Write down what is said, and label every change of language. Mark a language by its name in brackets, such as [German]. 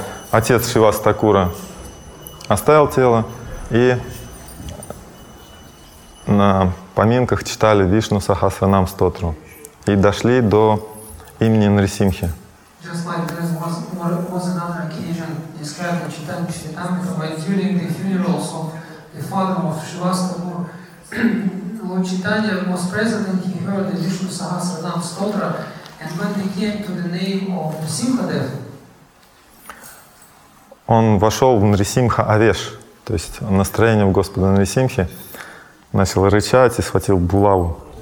[Russian] отец Шивас Такура оставил тело и на поминках читали Вишну Сахасранам Стотру и дошли до имени Нрисимхи. [English] Just like there was another occasion described in Chaitanya Charitamrita, when during the funerals of the father of Shivastakur, Lord Chaitanya was present and he heard the Vishnu Sahasranam Stotra, and when they came to the name of Nrisimhadev, [Russian] он вошел в Нрисимха Авеш, то есть настроение у Господа Нрисимхи. Начал рычать и схватил булаву.